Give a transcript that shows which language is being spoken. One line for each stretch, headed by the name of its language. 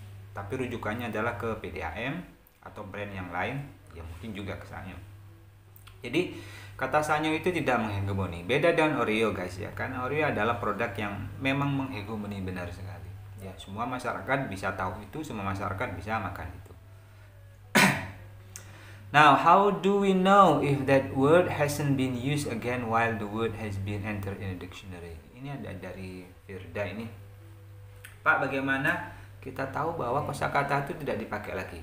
Indonesian: Tapi rujukannya adalah ke pilih AM atau brand yang lain, ya mungkin juga ke Sanyo. Jadi kata Sanyo itu tidak menghegemoni. Beda dengan Oreo guys ya, karena Oreo adalah produk yang memang menghegemoni benar sekali. Ya, semua masyarakat bisa tahu itu, semua masyarakat bisa makan itu.
English: Now, how do we know if that word hasn't been used again while the word has been entered in a dictionary?
Indonesian: Ini ada dari Firda ini. Pak, bagaimana kita tahu bahwa kosakata itu tidak dipakai lagi?